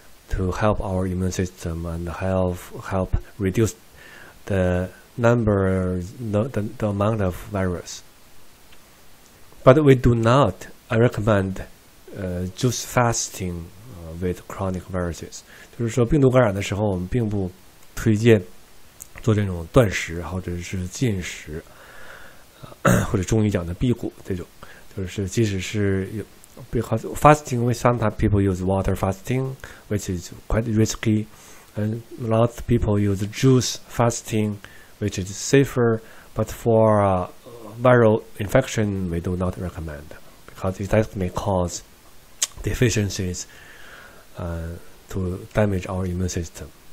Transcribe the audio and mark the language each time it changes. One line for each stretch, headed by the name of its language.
English: To help our immune system and help reduce the number, the amount of virus. But we do not recommend juice fasting with chronic viruses.
Chinese: 就是说病毒感染的时候我们并不推荐做这种断食或者是禁食或者中医讲的辟谷这种。就是即使是有
English: Because fasting, sometimes people use water fasting, which is quite risky, and a lot of people use juice fasting, which is safer, but for viral infection, we do not recommend, because that may cause deficiencies to damage our immune system.